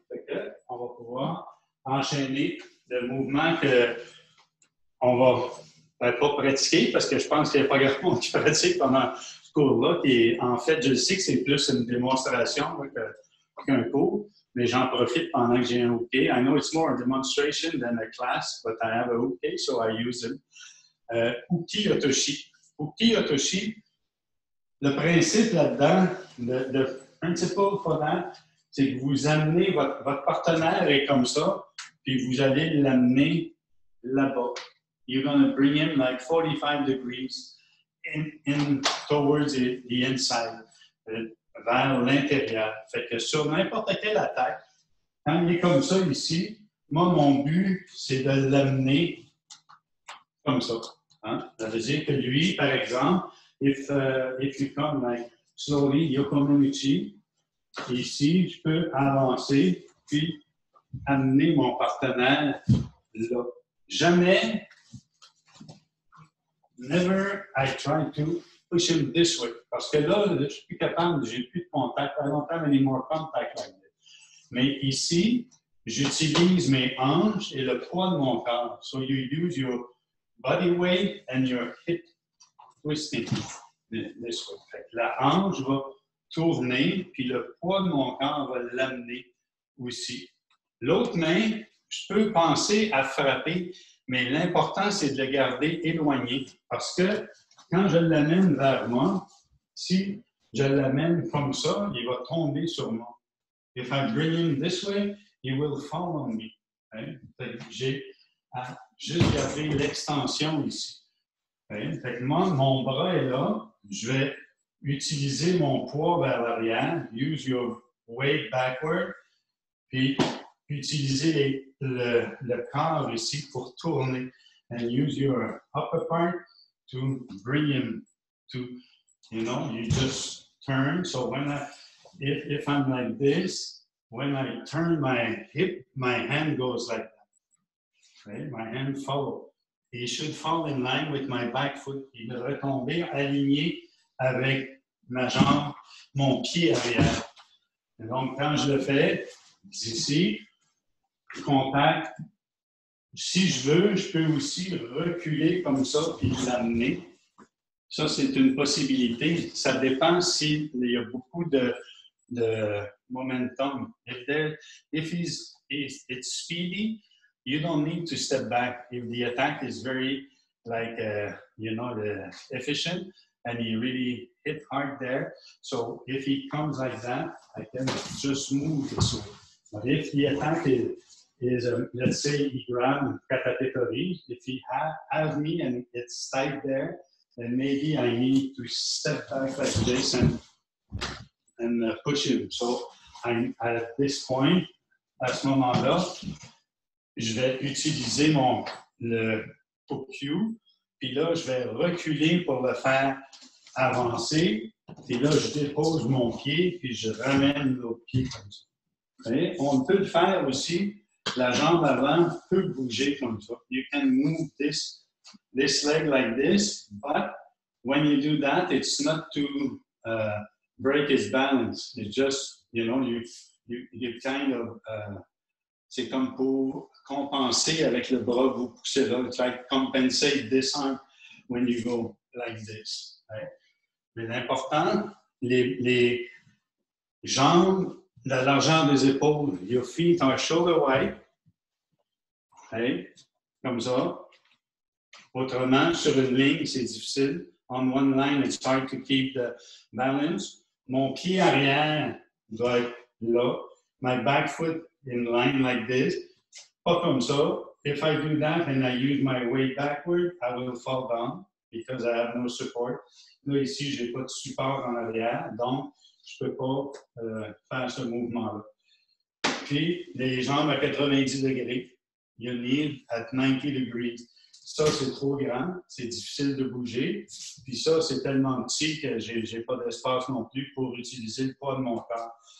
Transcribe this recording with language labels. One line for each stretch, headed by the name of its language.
French: Fait que, on va pouvoir enchaîner le mouvement que on va pas pratiquer, parce que je pense qu'il n'y a pas grand monde qui pratique pendant ce cours-là. Et en fait, je sais que c'est plus une démonstration là, qu'un cours. Mais j'en profite pendant que j'ai un hooké.
English: I know it's more a demonstration than a class, but I have a hooké, so I use it.
French: Ukiyotoshi. Ukiyotoshi, le principe là-dedans,
English: the principle for that,
French: c'est que vous amenez votre partenaire est comme ça, puis vous allez l'amener là-bas.
English: You're going to bring him like 45 degrees in towards the inside.
French: Vers l'intérieur. Fait que sur n'importe quelle attaque, quand il est comme ça ici, moi, mon but, c'est de l'amener comme ça. Hein? Ça veut dire que lui, par exemple,
English: if you come like slowly,
French: Yokomimichi, ici, je peux avancer puis amener mon partenaire là.
English: Jamais, never I try to push him this way.
French: Parce que là, je ne suis plus capable, j'ai plus de contact, pas longtemps, mais
English: more contact like this.
French: Mais ici, j'utilise mes hanches et le poids de mon corps.
English: So you use your body weight and your hip twisting this way.
French: Fait que la hanche va tourner, puis le poids de mon corps va l'amener aussi. L'autre main, je peux penser à frapper, mais l'important, c'est de le garder éloigné. Parce que quand je l'amène vers moi, si je l'amène comme ça, il va tomber sur moi.
English: If I bring him this way, he will fall on me. Okay? J'ai
French: à juste garder l'extension ici. Okay? Fait que moi, mon bras est là. Je vais utiliser mon poids vers l'arrière.
English: Use your weight backward.
French: Puis, utiliser le corps ici pour tourner.
English: And use your upper part to bring him to, you know, you just turn. So when I, if I'm like this, when I turn my hip, my hand goes like that. Okay? My hand follow. He should fall in line with my back foot.
French: Il devrait tomber aligné avec ma jambe, mon pied arrière. Et donc, quand je le fais, ici, contact. Si je veux, je peux aussi reculer comme ça et l'amener. Ça, c'est une possibilité. Ça dépend s'il y a beaucoup de momentum.
English: If it's speedy, you don't need to step back. If the attack is very, like, you know, efficient, and he really hit hard there. So if he comes like that, I can just move this way. But if the attack is let's say he grabbed catapetori, if he has me and it's tight there, then maybe I need to step back like this and push him. So I'm at this point,
French: à ce moment-là, je vais utiliser le hook cue, puis là, je vais reculer pour le faire avancer, puis là, je dépose mon pied, puis je ramène le pied comme ça. Okay? On peut le faire aussi, la jambe avant peut bouger comme ça.
English: You can move this leg like this, but when you do that, it's not to break his balance. It's just, you know, you kind of,
French: c'est comme pour compenser avec le bras, vous poussez là.
English: It's like compensate this arm when you go like this.
French: Right? Mais l'important, les jambes, la largeur des épaules,
English: your feet are shoulder wide.
French: Okay? Comme ça. Autrement, sur une ligne, c'est difficile.
English: On one line, it's hard to keep the balance.
French: Mon pied arrière doit être là.
English: My back foot in line like this.
French: Pas comme ça.
English: If I do that and I use my weight backward, I will fall down because I have no support.
French: Là, ici, je n'ai pas de support en arrière, donc je ne peux pas faire ce mouvement-là. Puis, les jambes à 90 degrés.
English: Your knee at 90 degrees.
French: Ça, c'est trop grand. C'est difficile de bouger. Puis ça, c'est tellement petit que je n'ai pas d'espace non plus pour utiliser le poids de mon corps.